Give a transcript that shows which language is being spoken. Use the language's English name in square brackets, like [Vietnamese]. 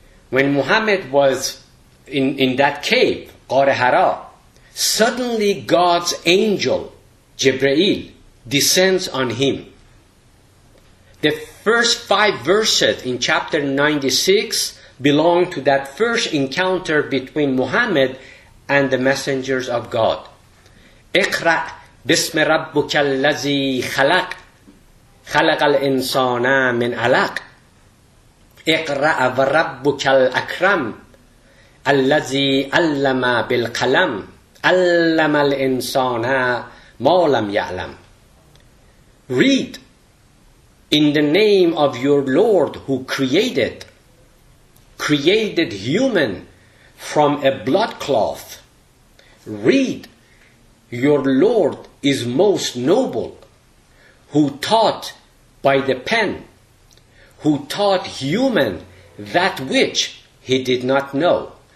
[English] When Muhammad was in that cave, Ghar Hira, suddenly God's angel, Jibreel, descends on him. The first 5 verses in chapter 96 belong to that first encounter between Muhammad and the messengers of God. [Arabic] اقرأ بسم ربك الذي خلق خلق الإنسان من علق اقرأ وربك الأكرم الذي علم بالقلم علم الإنسان ما لم يعلم. [English] Read, in the name of your Lord who created human from a blood cloth. Read, your Lord is most noble, who taught by the pen, who taught human that which he did not know.